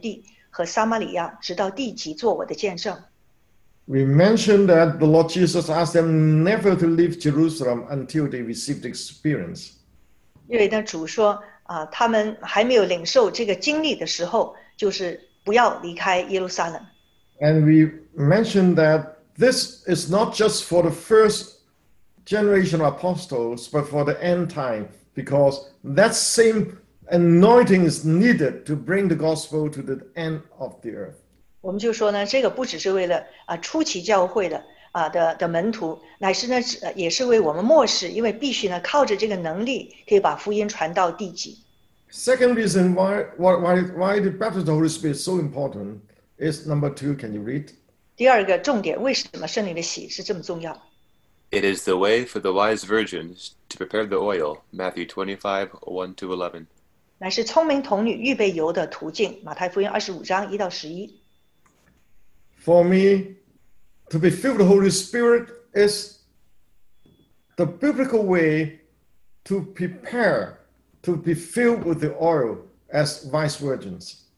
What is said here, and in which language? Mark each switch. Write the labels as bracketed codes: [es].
[zh] 乃是得能力见证主的必须经历，但圣灵降临在你们身上，你们就必得着能力，并要在耶路撒冷、犹太全地和撒玛利亚，直到地极，做我的见证。 [en] We mentioned that the Lord Jesus asked them never to leave Jerusalem until they received experience. [zh] 因为呢,主说, 他们还没有领受这个经历的时候, 就是不要离开耶路撒冷。 [en] And we mentioned that this is not just for the first generation of apostles before the end time, because that same anointing is needed to bring the gospel to the end of the earth. [zh] 我们就说呢，这个不只是为了啊初期教会的啊的门徒，乃是呢也是为我们末世，因为必须呢靠着这个能力可以把福音传到地极。 [en] Second reason why the baptism of the Holy Spirit is so important is number two. Can you read? [zh] 第二个重点，为什么圣灵的洗是这么重要？ [en] It is the way for the wise virgins to prepare the oil, Matthew 25:1-11. [zh] 乃是聪明童女预备油的途径，马太福音25:1-11。 [en] For me, to be filled with the Holy Spirit is the biblical way to prepare to be filled with the oil as vice virgins.